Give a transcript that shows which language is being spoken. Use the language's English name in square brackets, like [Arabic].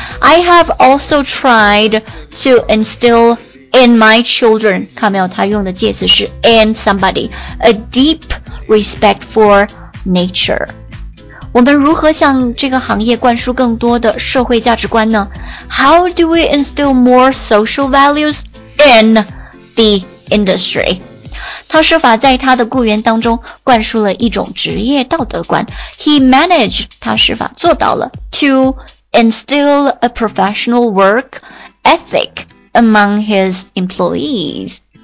[English] I have also tried to instill in my children, [Chinese] 看没有，他用的介词是 [English] and somebody, a deep respect for nature。 [Chinese] 我们如何向这个行业灌输更多的社会价值观呢？ [English] How do we instill more social values in the industry? [Chinese] 他设法在他的雇员当中灌输了一种职业道德观。 [English] He managed, [Chinese] 他设法做到了 [English] to instill a professional work ethic among his employees.